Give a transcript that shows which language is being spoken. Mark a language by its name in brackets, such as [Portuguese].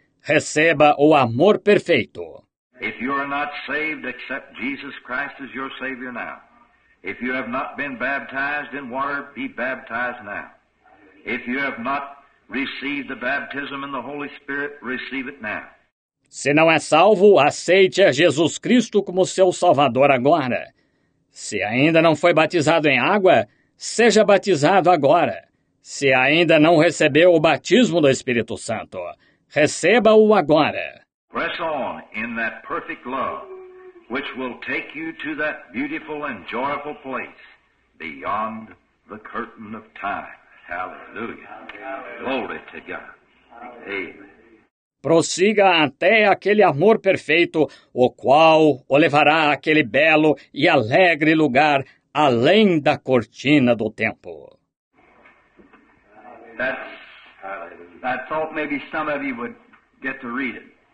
[Portuguese] Receba o amor perfeito. [English] If you are not saved, accept Jesus Christ as your Savior now. If you have not been baptized in water, be baptized now. If you have not received the baptism in the Holy Spirit, receive it now. [Portuguese] Se não é salvo, aceite a Jesus Cristo como seu Salvador agora. Se ainda não foi batizado em água, seja batizado agora. Se ainda não recebeu o batismo do Espírito Santo, receba-o agora. [English] Press on in that perfect love, which will take you to that beautiful and joyful place beyond the curtain of time. Hallelujah. Glory to God. Amen. [Portuguese] Prossiga até aquele amor perfeito, o qual o levará àquele belo e alegre lugar além da cortina do tempo. [English] I thought maybe some of you would get to read it.